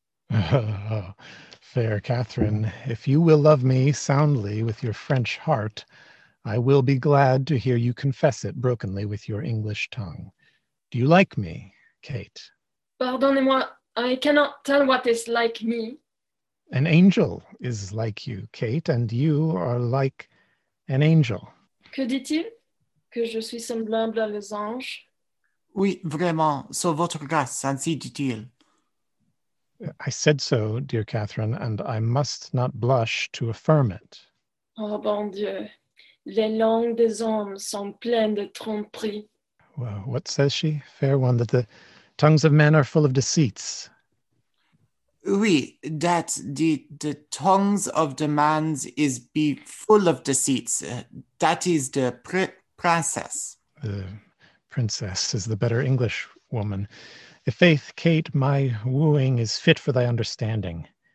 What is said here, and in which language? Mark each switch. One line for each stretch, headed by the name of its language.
English: Fair Catherine, if you will love me soundly with your French heart, I will be glad to hear you confess it brokenly with your English tongue. Do you like me, Kate?
French: Pardonnez-moi,
English: I cannot tell what is like me. An angel is like you, Kate, and you are like an angel.
French: Que dit-il? Que je suis semblable à les anges? Oui, vraiment, sur votre grâce, ainsi dit-il.
English: I said so, dear Catherine, and I must not blush to affirm it.
French: Oh, bon Dieu, les langues des hommes sont pleines de tromperies.
English: Well, what says she, fair one, that the tongues of men are full of deceits?
French: Oui,
English: that the tongues of the man is be full of deceits. That is the princess. The princess is the better English woman. I' faith, Kate, my wooing is fit for thy understanding.